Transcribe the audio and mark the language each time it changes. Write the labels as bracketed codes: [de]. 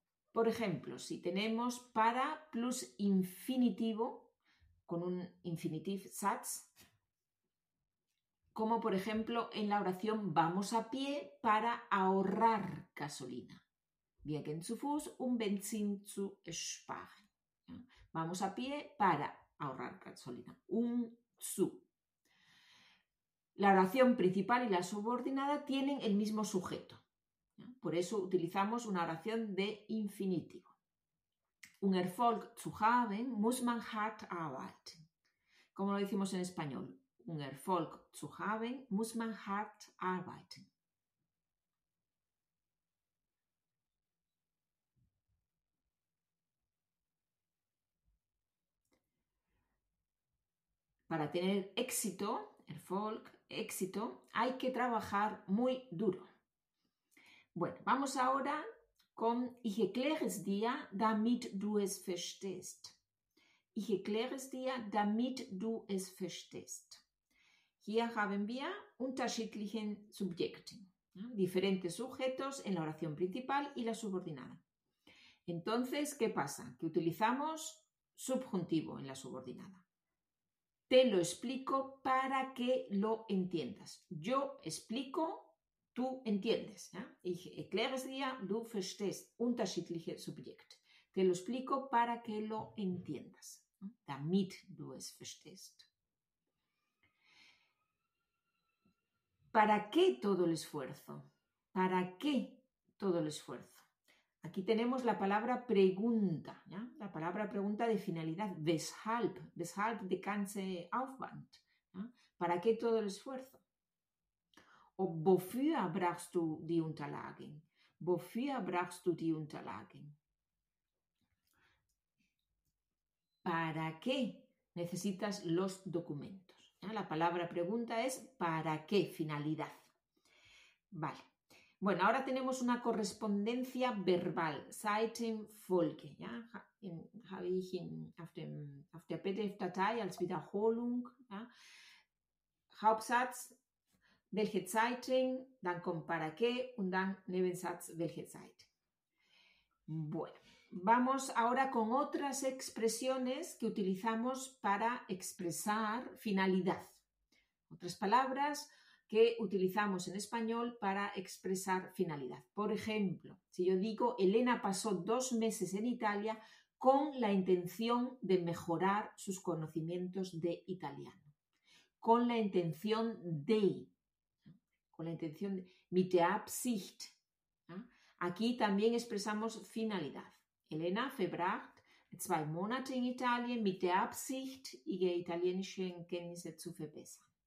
[es] Por ejemplo, si tenemos para plus infinitivo, con un infinitive satz, como por ejemplo en la oración vamos a pie para ahorrar gasolina. [de] Wir gehen zu Fuß, um Benzin zu sparen. [es] Vamos a pie para ahorrar gasolina. [de] Um zu. [es] La oración principal y la subordinada tienen el mismo sujeto. Por eso utilizamos una oración de infinitivo. [de] Un Erfolg zu haben, muss man hart arbeiten. [es] ¿Cómo lo decimos en español? [de] Un Erfolg zu haben, muss man hart arbeiten. [es] Para tener éxito, Erfolg, éxito, hay que trabajar muy duro. Bueno, vamos ahora con [de] ich erkläre es dir, damit du es verstehst. Ich erkläre es dir, damit du es verstehst. Hier haben wir unterschiedlichen Subjekten, [es] diferentes sujetos en la oración principal y la subordinada. Entonces, ¿qué pasa? Que utilizamos subjuntivo en la subordinada. Te lo explico para que lo entiendas. Yo explico. Tú entiendes, ¿ya? [de] Ich erkläre es dir, du verstehst, unterschiedliche Subjekte. [es] Te lo explico para que lo entiendas, ¿no? [de] Damit du es verstehst. [es] ¿Para qué todo el esfuerzo? ¿Para qué todo el esfuerzo? Aquí tenemos la palabra pregunta, ¿ya? La palabra pregunta de finalidad, [de] weshalb, weshalb der ganze Aufwand, [es] ¿ya? ¿Para qué todo el esfuerzo? [de] O wofür brauchst du die Unterlagen? Wofür brauchst du die Unterlagen? [es] ¿Para qué necesitas los documentos? ¿Ya? La palabra pregunta es ¿para qué? Finalidad. Vale. Bueno, ahora tenemos una correspondencia verbal. [de] Seitenfolge. ¿Ya? Habe ich auf der PDF-Datei als Wiederholung. ¿Ya? Hauptsatz. Welche Zeiten, dann kommt para qué und dann Nebensatz, welche Zeit. [es] Bueno, vamos ahora con otras expresiones que utilizamos para expresar finalidad. Otras palabras que utilizamos en español para expresar finalidad. Por ejemplo, si yo digo Elena pasó 2 meses en Italia con la intención de mejorar sus conocimientos de italiano. Con la intención de. Con la intención de, [de] mit der Absicht, [es] ¿ya? Aquí también expresamos finalidad. [de] Elena verbracht 2 Monate in Italien mit der Absicht, ihre italienischen Kenntnisse zu verbessern.